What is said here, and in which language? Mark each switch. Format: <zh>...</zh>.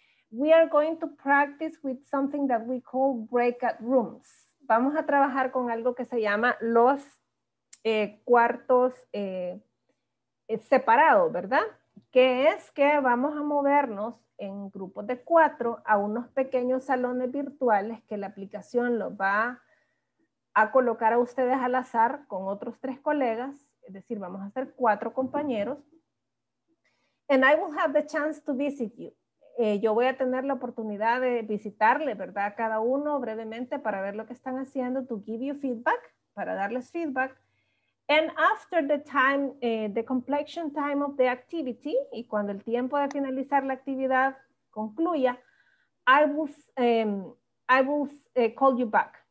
<en>We are going to practice with something that we call breakout rooms.</en> <es>Vamos a trabajar con algo que se llama los cuartos separados, ¿verdad? Que es que vamos a movernos en grupos de cuatro a unos pequeños salones virtuales que la aplicación los va a colocar a ustedes al azar con otros tres colegas, es decir, vamos a ser cuatro compañeros.</es> <en>And I will have the chance to visit you.</en> <es>Yo voy a tener la oportunidad de visitarle, ¿verdad? Cada uno brevemente para ver lo que están haciendo,</es> <en>to give you feedback,</en> <es>para darles feedback.</es> <en>And after the time, the completion time of the activity,</en> <es>y cuando el tiempo de finalizar la actividad concluya,</es> <en>I will call you back.</en>